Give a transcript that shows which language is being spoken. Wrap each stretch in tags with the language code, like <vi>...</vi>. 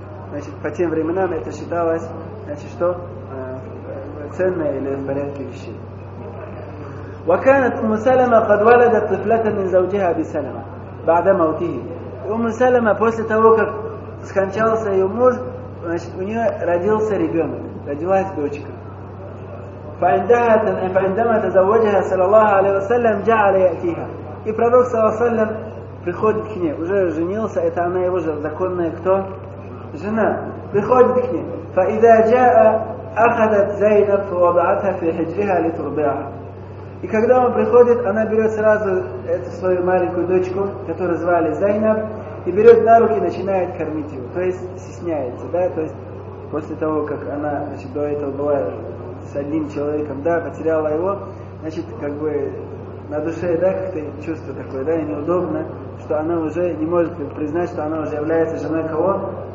<ru>Значит, по тем временам это считалось, значит, что ценное или в порядке вещей.</ru> <ar>وكانت أم سلمة قد ولدت طفلة من زوجها أبي سلمة بعد موته.</ar> <ru>أم سلمة после того как скончался ее муж, значит, у нее родился ребенок, родилась дочка.</ru> <ar>فعندما تزوجها صلى الله عليه وسلم جعل يأتيها.</ar> <ru>И пророк صلى الله عليه وسلم приходит к ней, уже женился, это она его же законная кто? Жена. Приходит к ней.</ru> <ar>فإذا جاء أخذت زينب فوضعتها في حجرها لترضعها.</ar> <ru>И когда он приходит, она берет сразу эту свою маленькую дочку, которую звали Зайнаб, и берет на руки и начинает кормить его. То есть стесняется, да, то есть после того, как она, значит, до этого была с одним человеком, да, потеряла его, значит, как бы на душе, да, как-то чувство такое, да, и неудобно, что она уже не может признать, что она уже является женой кого?</ru>